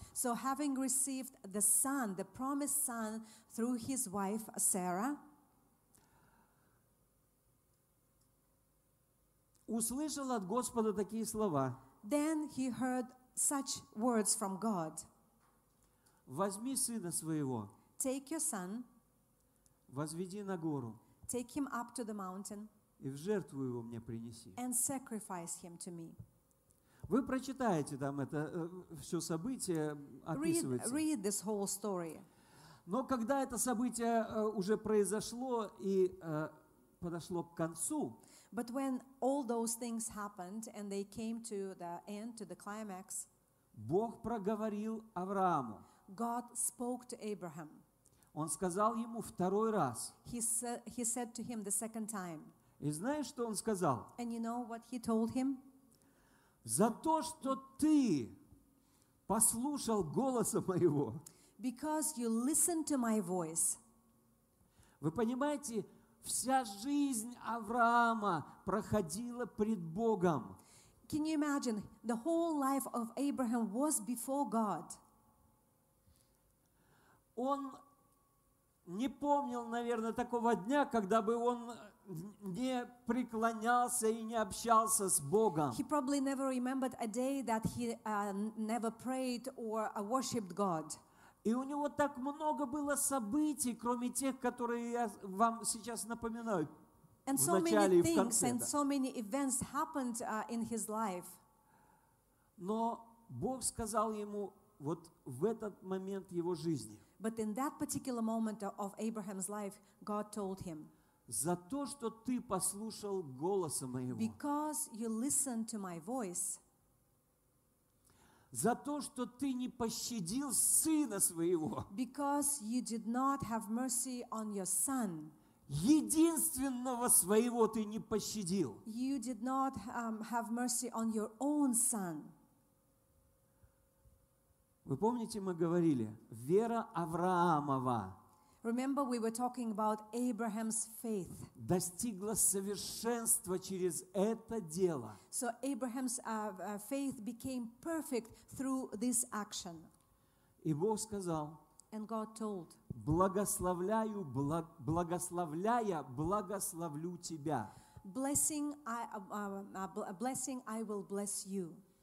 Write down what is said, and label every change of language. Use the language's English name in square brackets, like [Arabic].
[English] So having received the son, the promised son, through his wife Sarah, [Russian] услышал от Господа такие слова. [English] Then he heard such words from God. [Russian] Возьми сына своего. [English] Take your son. [Russian] Возведи на гору. [English] Take him up to the mountain. [Russian] И в жертву его мне принеси. [English] And sacrifice him to me. [Russian] Вы прочитаете там это все событие, описывается. [English] Read this whole story. [Russian] Но когда это событие уже произошло и подошло к концу, [English] but when all those things happened and they came to the end, to the climax, [Russian] Бог проговорил Аврааму. [English] God spoke to Abraham. [Russian] Он сказал ему второй раз. [English] He said to him the second time. [Russian] И знаешь, что он сказал? [English] And you know what he told him? [Russian] За то, что ты послушал голоса моего. [English] Because you listen to my voice. [Russian] Вы понимаете, вся жизнь Авраама проходила пред Богом. [English] Can you imagine? The whole life of Abraham was before God. [Russian] Он не помнил, наверное, такого дня, когда бы он не преклонялся и не общался с Богом. [English] He probably never remembered a day that he never prayed or worshipped God. [Russian] И у него так много было событий, кроме тех, которые я вам сейчас напоминаю. [English] And so many things and so many events happened in his life. [Russian] Но Бог сказал ему вот в этот момент его жизни. [English] But in that particular moment of Abraham's life, God told him. [Russian] За то, что ты послушал голоса моего. [English] Because you listened to my voice. [Russian] За то, что ты не пощадил сына своего. [English] Because you did not have mercy on your son. [Russian] Единственного своего ты не пощадил. [English] You did not have mercy on your own son. [Russian] Вы помните, мы говорили, вера Авраамова. [English] Remember, we were talking about Abraham's faith. [Russian] Достигла совершенства через это дело. [English] So Abraham's faith became perfect through this action. [Russian] И Бог сказал. [English] And God told. [Russian] Благословляю, благословляя, благословлю тебя. [English] Blessing, I will bless you.